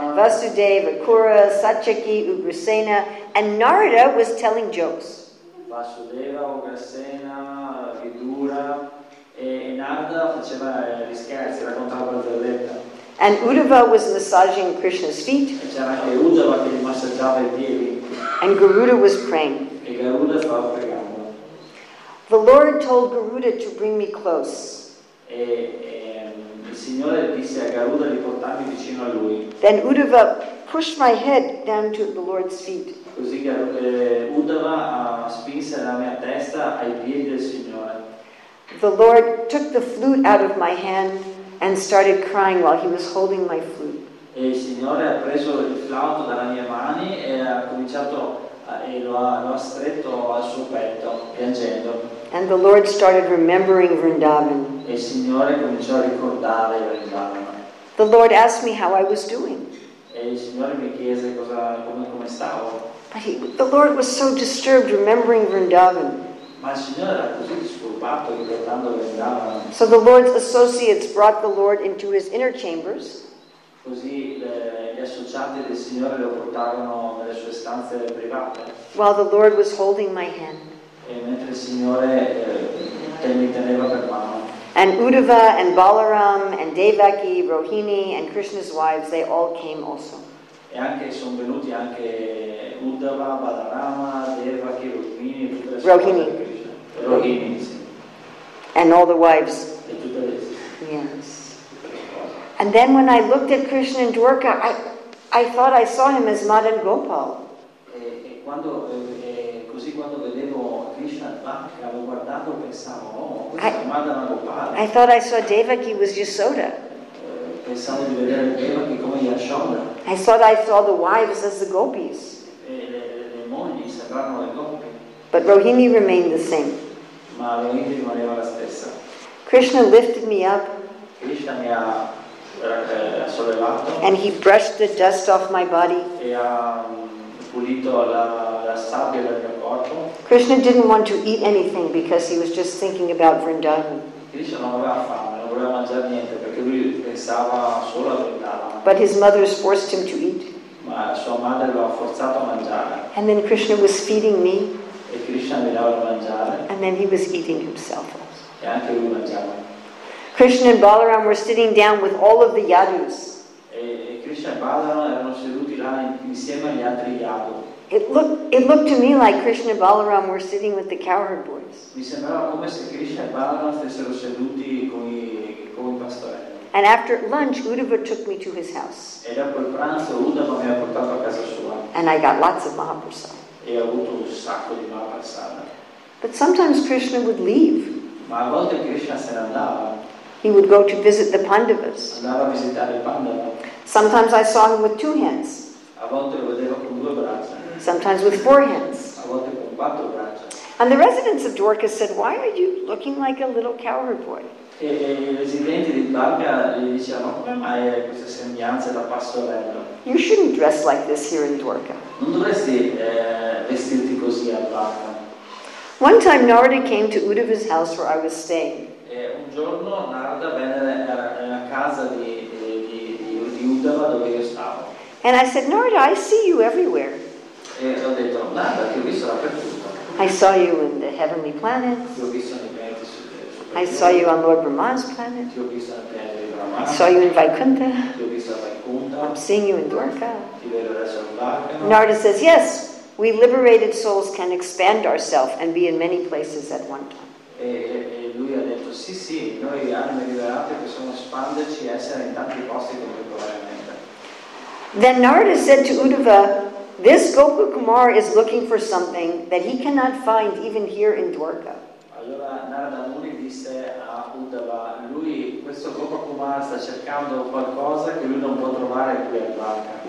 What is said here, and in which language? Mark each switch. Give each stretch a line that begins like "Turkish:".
English: And Vasudeva, Akura, Satyaki, Ugrasena, and Narada was telling jokes.
Italian: Vasudeva, Ugrasena, Vidura e Narada faceva gli scherzi, raccontava la verletta.
English: And Uddhava was massaging Krishna's feet.
Italian: E c'era anche Uddhava che gli massaggiava i piedi.
English: And Garuda was praying.
Italian: E Garuda stava pregando.
English: The Lord told Garuda to bring me close.
Italian: E il Signore disse a Garuda di portarmi vicino a lui.
English: Then Uddhava pushed my head down to the Lord's feet.
Italian: Così Uddhava spinse la mia testa ai piedi del Signore.
English: The Lord took the flute out of my hand and started crying while he was holding my flute.
Italian: E il Signore ha preso il flauto dalla mia mano e ha cominciato e lo ha stretto al suo petto piangendo.
English: And the Lord started remembering Vrindavan.
Italian: E il Signore cominciò a ricordare Vrindavan.
English: The Lord asked me how I was doing.
Italian: E il Signore mi chiese come stavo.
English: The Lord was so disturbed remembering Vrindavan.
Italian: Ma il Signore era così disturbato ricordando Vrindavan.
English: So the Lord's associates brought the Lord into his inner chambers.
Italian: Così gli associati del Signore lo portarono nelle sue stanze private.
English: While the Lord was holding my hand.
Italian: E mentre il Signore mi teneva per mano.
English: And Uddhava and Balaram and Devaki, Rohini and Krishna's wives, they all came also.
Italian: E anche sono venuti anche Uddhava, Balarama, Devaki, Rohini e tutte le Rohini. Rohini, sì.
English: And all the wives.
Italian: E tutte le sì.
English: Yes. And then when I looked at Krishna in Dwarka, I thought I saw him as Madan Gopal.
Italian: E quando vedevo Krishna, avevo guardato e pensavo, oh, Madan Gopal.
English: I thought I saw Devaki was Yasoda.
Italian: Pensavo che pensavo di vedere Devaki come Yashoda.
English: I thought I saw the wives as the gopis.
Italian: Le mogli sembravano le gopi.
English: But Rohini remained the same.
Italian: Ma Rohini rimaneva la stessa.
English: Krishna lifted me up.
Italian: Krishna mi ha sollevato.
English: And he brushed the dust off my body.
Italian: E ha pulito la sabbia dal mio corpo.
English: Krishna didn't want to eat anything because he was just thinking about Vrindavan.
Italian: Krishna non aveva fame, non voleva mangiare niente perché lui pensava solo a Vrindavan.
English: But his mother forced him to eat.
Italian: Ma sua madre lo ha forzato a mangiare.
English: And then Krishna was feeding me.
Italian: E Krishna mi dava da mangiare.
English: And then he was eating himself.
Italian: E anche lui mangiava.
English: Krishna and Balaram were sitting down with all of the Yadus.
Italian: E Krishna e Balaram erano seduti là insieme agli altri Yadu.
English: It looked to me like Krishna and Balaram were sitting with the cowherd boys.
Italian: Mi sembrava come se Krishna e Balaram stessero seduti con i pastori.
English: And after lunch, Uddhava took me to his house.
Italian: E dopo il pranzo, Uddhava mi ha portato a casa sua.
English: And I got lots of Mahaprasada.
Italian: E ho avuto un sacco di Mahaprasada.
English: But sometimes Krishna would leave.
Italian: Ma a volte Krishna se ne andava.
English: He would go to visit the Pandavas.
Italian: Andava a visitare i Pandava.
English: Sometimes I saw him with two hands.
Italian: A volte lo vedevo con due braccia.
English: Sometimes with four hands.
Italian: A volte con quattro braccia.
English: And the residents of Dwarka said, "Why are you looking like a little cowherd boy?"
Italian: E i residenti di Dwarka gli dicevano, "Hai questa sembianza da pastorello."
English: You shouldn't dress like this here in Dwarka.
Italian: Non dovresti vestirti così a Dwarka.
English: One time Narada came to Uddhava's house where I was staying.
Italian: E un giorno Narada venne nella casa di Uddhava dove io stavo.
English: And I said, "Narada, I see you everywhere."
Italian: E ho detto, "Narada, ti ho visto dappertutto."
English: I saw you in the heavenly planets.
Italian: Ti ho visto nei pianeti superiori.
English: I saw you on Lord Brahma's planet.
Italian: Ti ho visto nel pianeta di Brahma.
English: I saw you in Vaikuntha.
Italian: Ti ho visto a Vaikuntha.
English: I'm seeing you in Dwarka.
Italian: Ti vedo adesso in Dwarka.
English: Narada says, "Yes. We liberated souls can expand ourselves and be in many places at one time."
Italian: E lui ha detto, sì, noi anime liberate possiamo espanderci e essere in tanti posti contemporaneamente.
English: Then Narada said to Uddhava, "This Gopu Kumar is looking for something that he cannot find even here in Dwarka."
Italian: Allora Narada Muni disse a Uddhava, "Lui, questo Gopu Kumar sta cercando qualcosa che lui non può trovare qui a Dwarka.